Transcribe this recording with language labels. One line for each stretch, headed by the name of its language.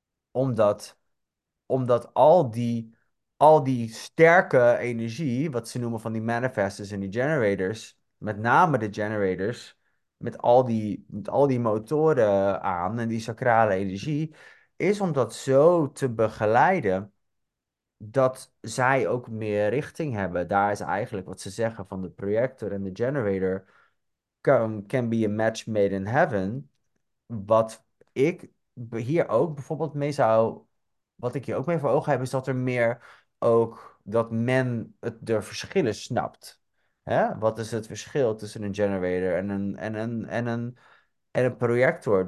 Dutch: Omdat al die sterke energie, wat ze noemen van die manifestors en die generators, met name de generators, met al die motoren aan en die sacrale energie, is om dat zo te begeleiden dat zij ook meer richting hebben. Daar is eigenlijk wat ze zeggen van de projector en de generator.
English: Can be a match made in heaven.
Dutch: Wat ik hier ook bijvoorbeeld mee zou. Wat ik hier ook mee voor ogen heb, is dat er meer ook dat men het de verschillen snapt. Hè? Wat is het verschil tussen een generator en een projector?